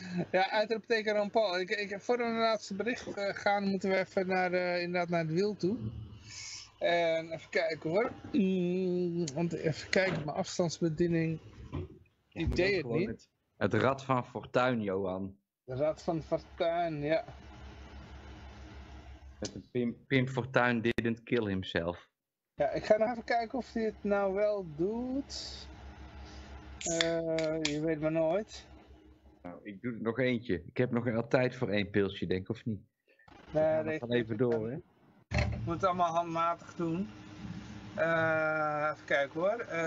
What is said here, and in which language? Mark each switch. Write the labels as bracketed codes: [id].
[nl] ja, uitroepteken Ron Paul. Voor een laatste bericht gaan, moeten we even naar het wiel toe. En even kijken hoor. Want even kijken, mijn afstandsbediening. Die ja, deed het niet. Het Rad van Fortuin, Johan. Het Rad van Fortuin, ja. [en] Pim Fortuin didn't kill himself. [nl] Ja, ik ga nog even kijken of hij het nou wel doet. Je weet maar nooit. Nou, ik doe er nog eentje. Ik heb nog wel tijd voor één pilsje, denk ik, of niet? Nee, we gaan even door, hè. Ik moet het allemaal handmatig doen. Even kijken hoor.